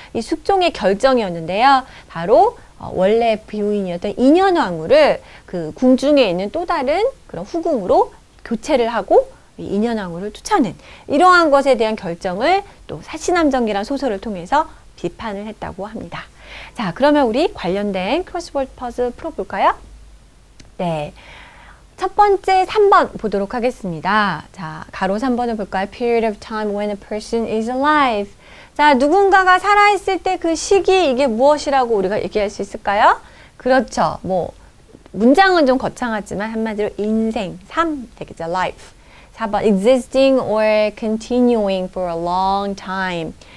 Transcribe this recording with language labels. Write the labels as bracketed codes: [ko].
[ko] 이 숙종의 결정이었는데요. 바로 원래 부인이었던 인현왕후를 그 궁중에 있는 또 다른 그런 후궁으로 교체를 하고 인현왕후를 쫓아낸 이러한 것에 대한 결정을 또 사시남정기란 소설을 통해서 비판을 했다고 합니다. 자, 그러면 우리 관련된 크로스워드 퍼즐 풀어볼까요? 네. 첫 번째 3번 보도록 하겠습니다. 자, 가로 3번을 볼까요? [en] Period of time when a person is alive. [ko] 자, 누군가가 살아있을 때 그 시기, 이게 무엇이라고 우리가 얘기할 수 있을까요? 그렇죠. 뭐, 문장은 좀 거창하지만 한마디로 인생, 삶 되겠죠. [en] Life. 4번, existing or continuing for a long time.